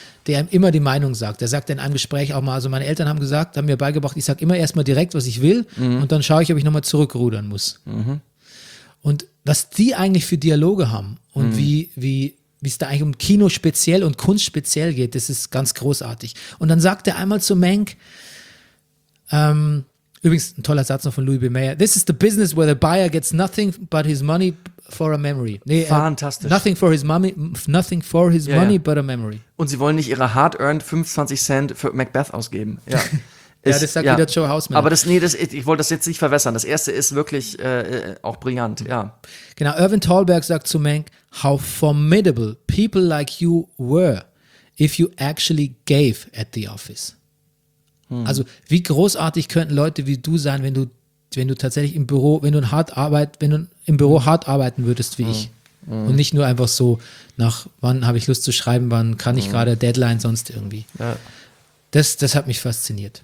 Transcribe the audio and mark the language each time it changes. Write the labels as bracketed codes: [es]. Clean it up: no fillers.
[de] Der ihm immer die Meinung sagt. Der sagt in einem Gespräch auch mal, also meine Eltern haben gesagt, haben mir beigebracht, ich sage immer erstmal direkt, was ich will und dann schaue ich, ob ich nochmal zurückrudern muss. Mhm. Und was die eigentlich für Dialoge haben und wie es da eigentlich um Kino speziell und Kunst speziell geht, das ist ganz großartig. Und dann sagt er einmal zu Mank, übrigens ein toller Satz noch von Louis B. [en] Mayer, this is the business where the buyer gets nothing but his money for a memory. [de] Nee, fantastisch. [en] Nothing for his money but a memory. [de] Und sie wollen nicht ihre hard-earned 25 Cent für Macbeth ausgeben. Ja. Ja, das sagt wieder Joe Hausmann. Aber ich wollte das jetzt nicht verwässern. Das erste ist wirklich auch brillant, ja. Genau, Irvin Tolberg sagt zu Mank, [en] how formidable people like you were, if you actually gave at the office. [de] Also, wie großartig könnten Leute wie du sein, wenn du im Büro hart arbeiten würdest wie ich. Und nicht nur einfach so, nach wann habe ich Lust zu schreiben, wann kann ich gerade Deadline sonst irgendwie. Ja. Das hat mich fasziniert.